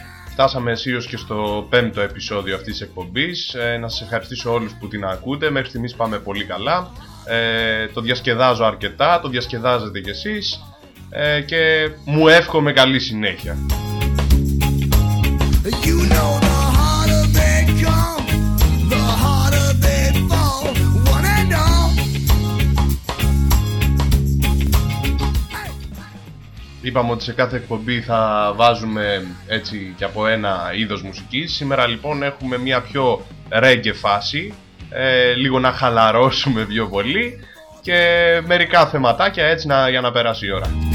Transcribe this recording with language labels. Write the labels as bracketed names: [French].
[Greek] Φτάσαμε αισίως και στο πέμπτο επεισόδιο αυτής της εκπομπής. Να σας ευχαριστήσω όλους που την ακούτε. Μέχρι στιγμής πάμε πολύ καλά. Το διασκεδάζω αρκετά, το διασκεδάζετε κι εσείς. Και μου εύχομαι καλή συνέχεια. [English] You know the harder they come, the harder they fall, one and all. [Greek] Είπαμε ότι σε κάθε εκπομπή θα βάζουμε έτσι και από ένα είδος μουσικής. Σήμερα λοιπόν έχουμε μια πιο ρέγγε φάση, λίγο να χαλαρώσουμε πιο πολύ και μερικά θεματάκια έτσι για να περάσει η ώρα.